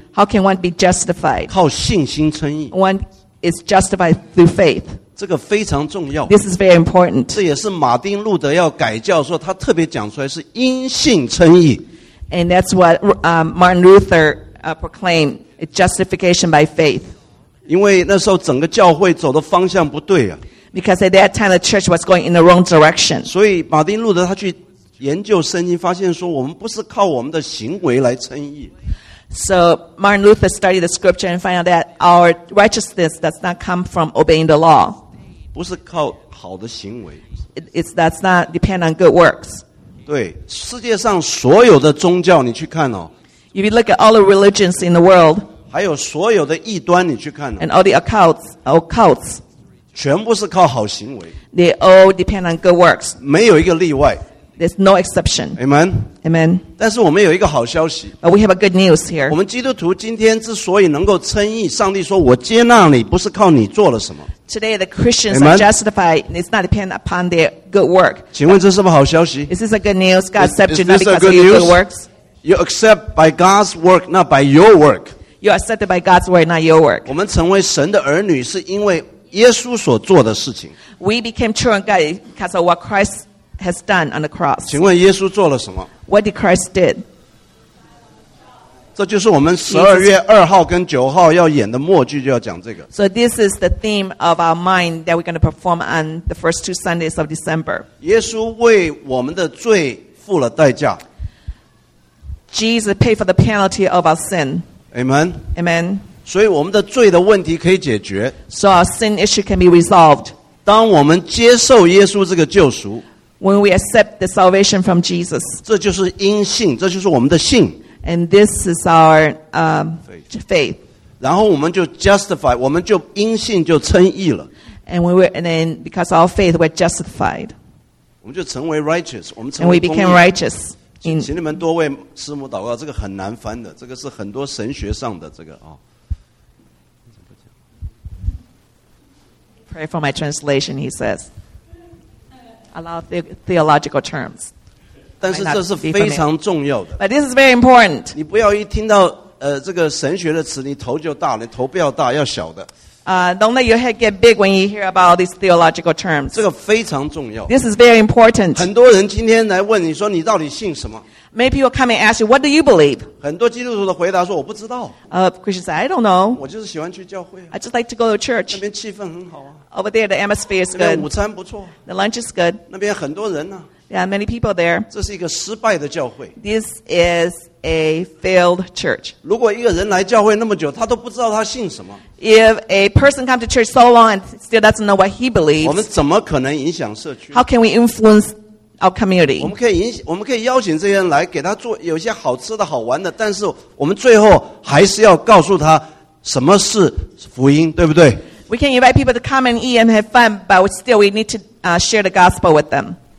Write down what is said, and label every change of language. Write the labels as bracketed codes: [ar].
[en] How can one be justified? [zh] 靠信心称义。 [en] One is justified through faith. [zh] 这个非常重要。 [en] This is very important. [zh] 这也是马丁路德要改教说他特别讲出来是因信称义。 [en] And that's what Martin Luther proclaimed, justification by faith. [zh] 因为那时候整个教会走的方向不对啊。 [en] Because at that time the church was going in the wrong direction. [zh] 所以马丁路德他去研究圣经发现说我们不是靠我们的行为来称义。 [en] So Martin Luther studied the scripture and found that our righteousness does not come from obeying the law. [zh] 不是靠好的行为。 [en] It does not depend on good works. [zh] 对，世界上所有的宗教你去看哦。 [en] If you look at all the religions in the world. [zh] 还有所有的异端你去看哦。 [en] And all the occults. [zh] 全部是靠好行为。 [en] They all depend on good works. [zh] 没有一个例外。 [en] There's no exception. Amen. Amen. [zh] 但是我们有一个好消息。 [en] But we have a good news here. [zh] 我们基督徒今天之所以能够称义，上帝说我接纳你，不是靠你做了什么。 [en] Today the Christians are justified. It's not dependent upon their good work. [zh] 请问这是不是好消息？ [en] Is this a good news? God accepts you not because of your good works. You accept by God's work, not by your work. You are accepted by God's work, not your work. [zh] 我们成为神的儿女是因为耶稣所做的事情。 [en] We became children of God because of what Christ has done on the cross. [zh] 请问耶稣做了什么？ [en] What did Christ did? [zh] 这就是我们12月2号跟9号要演的默剧，就要讲这个。 [en] So this is the theme of our mind that we're going to perform on the first two Sundays of December. [zh] 耶稣为我们的罪付了代价。 [en] Jesus paid for the penalty of our sin. Amen. Amen. [zh] 所以我们的罪的问题可以解决。 [en] So our sin issue can be resolved. [zh] 当我们接受耶稣这个救赎。 [en] When we accept the salvation from Jesus. [zh] 这就是因信，这就是我们的信。 [en] And this is our faith. [zh] 然后我们就 justify, 我们就因信就称义了。 [en] And then because of our faith, we're justified. [zh] 我们就成为 righteous, 我们成为 [en] 公义。And we became righteous. [zh] 请你们多为师母祷告，这个很难翻的，这个是很多神学上的这个啊。 [en] Pray for my translation, he says. Allow theological terms. [zh] 但是这是非常重要的。 [en] But this is very important. [zh] 你不要一听到这个神学的词，你头就大，你头不要大，要小的。 [en] Don't let your head get big when you hear about these theological terms. [zh] 这个非常重要。 [en] This is very important. [zh] 很多人今天来问你说你到底信什么？ [en] Many people come and ask you, what do you believe? [zh] 很多基督徒的回答说我不知道。 [en] Christians say, I don't know. [zh] 我就是喜欢去教会。 [en] I just like to go to church. [zh] 那边气氛很好啊。 [en] Over there, the atmosphere is good. [zh] 那边午餐不错。 [en] The lunch is good. [zh] 那边很多人啊。 [en] There are many people there. [zh] 这是一个失败的教会。 [en] This is a failed church. [zh] 如果一个人来教会那么久，他都不知道他信什么。 [en] If a person comes to church so long and still doesn't know what he believes, [zh] 我们怎么可能影响社区？ [en] How can we influence our community? [zh] 我们可以邀请这些人来给他做有些好吃的好玩的，但是我们最后还是要告诉他什么是福音，对不对？ [en] We can invite people to come and eat and have fun, but still we need to share the gospel with them.